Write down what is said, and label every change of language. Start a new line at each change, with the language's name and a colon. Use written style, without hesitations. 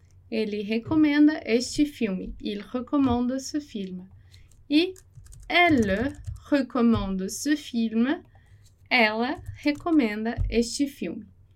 Portuguese: Ele recomenda este filme.
French: Il recommande ce film. E elle recommande ce film.
Portuguese: Ela recomenda este filme.